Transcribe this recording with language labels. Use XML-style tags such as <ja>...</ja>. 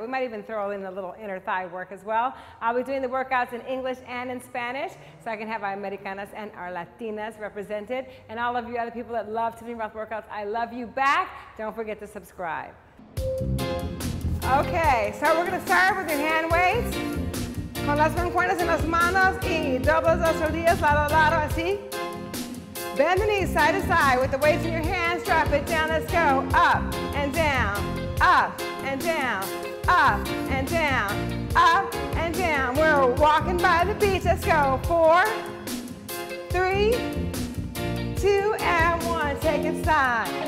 <en>We might even throw in a little inner thigh work as well. I'll be doing the workouts in English and in Spanish, so I can have our Americanas and our Latinas represented. And all of you other people that love Tiffany Rothe workouts, I love you back. Don't forget to subscribe. Okay, so we're gonna start with your hand weights.</en> <es>Con las mancuernas en las manos y doblas las rodillas, lado a lado, así.</es> <en>Bend the knees side to side with the weights in your hands, drop it down, let's go. Up and down, up and down, up and down, up and down. We're walking by the beach, let's go. Four, three, two, and one, take it side.</en>